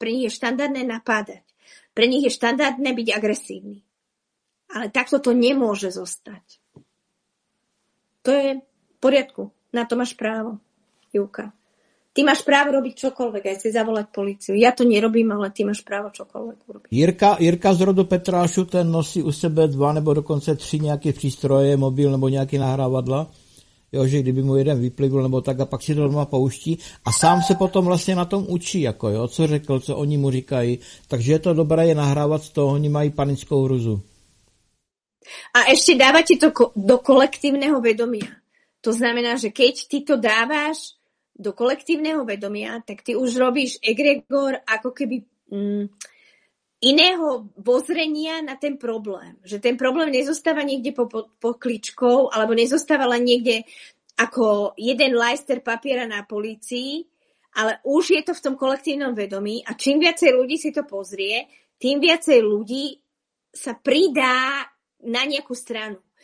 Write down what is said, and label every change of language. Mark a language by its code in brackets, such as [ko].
[sk] Pre nich je štandardné napádať. Pre nich je štandardné byť agresívny. Ale takto to nemôže zostať. To je v poriadku. Na to máš právo, Júka. Ty máš právo robiť čokoľvek, aj si zavolať políciu. Ja to nerobím, ale ty máš právo čokoľvek urobiť. [cs] Jirka z rodu Petrášu, ten nosí u sebe dva nebo dokonce tři nejaké přístroje, mobil nebo nejaké nahrávadla. Jo, že kdyby mu jeden vyplivl nebo tak a pak si to doma pouští a sám se potom vlastně na tom učí, jako jo, co řekl, co oni mu říkají, takže je to dobré je nahrávat z toho, oni mají panickou hruzu. [sk] A ještě dávat ti to do kolektivného vedomia. To znamená, že keď ty to dáváš do kolektivného vedomia, tak ty už robíš egregor ako keby iného pozrenia na ten problém. Že ten problém nezostáva niekde po kličkou, alebo nezostáva len niekde ako jeden lajster papiera na polícii, ale už je to v tom kolektívnom vedomí a čím viacej ľudí si to pozrie, tým viacej ľudí sa pridá na nejakú stranu.